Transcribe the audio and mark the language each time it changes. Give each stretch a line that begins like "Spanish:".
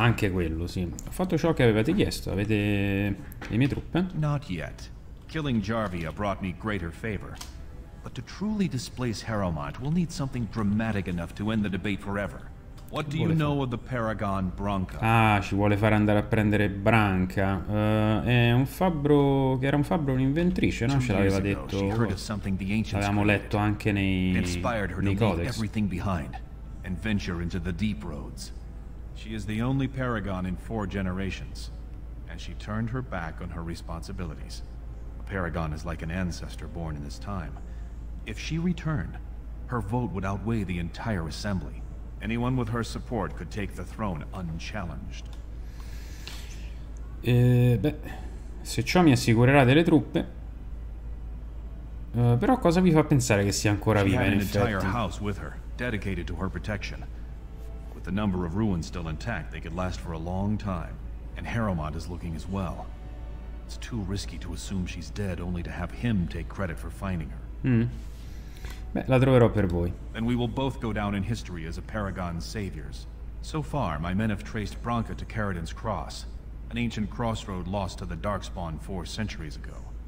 Italian: Anche quello, sì. Ho fatto ciò che avevate chiesto. Avete le mie truppe?
English: Not yet. Killing Jarvia brought me greater favor. But to truly displace Harrowmont, we'll need something dramatic enough to end the debate forever. What do you know of the Paragon Branca?
Italian: Ah, ci vuole far andare a prendere Branca. È un fabbro. Che era un fabbro, un'inventrice, no? Ce l'aveva detto. L'avevamo letto anche nei codex.
English: Everything behind and venture into the deep roads. She is the only Paragon in four generations, and she turned her back on her responsibilities. A Paragon is like an ancestor born in this time. If she returned, her vote would outweigh the entire assembly. Anyone with her support could take the throne unchallenged.
Italian: Beh, se ciò mi assicurerà delle truppe. Però cosa mi fa pensare che sia ancora viva, in effetti?
English: She had an entire house with her, dedicated to her protection. With the number of ruins still intact, they could last for a long time. And Harrowmont is looking as well. It's too risky to assume she's dead only to have him take credit for finding her.
Italian: Beh, la troverò per voi.
English: And we will both go down in history as a Paragon saviors. So far, my men have traced Branca to Caradon's Cross, an ancient crossroad lost to the Darkspawn four centuries ago.